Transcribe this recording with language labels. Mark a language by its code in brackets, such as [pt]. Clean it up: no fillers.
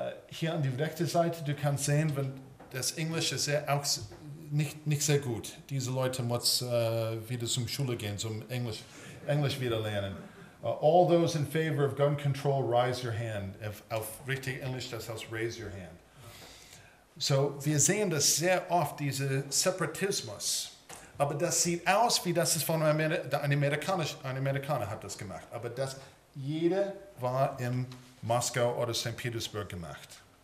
[de] Hier an die rechte Seite, du kannst sehen, wenn das Englisch ist sehr, auch nicht sehr gut. Diese Leute müssen wieder zum Schule gehen, zum Englisch wieder lernen. [en] All those in favor of gun control, raise your hand. [de] Auf richtig Englisch, das heißt, [en] raise your hand. [de] So, wir sehen das sehr oft, diese Separatismus. Aber das sieht aus, wie das ist von ein Amerikaner hat das gemacht. Aber das, jeder war in Moskau oder St. Petersburg gemacht.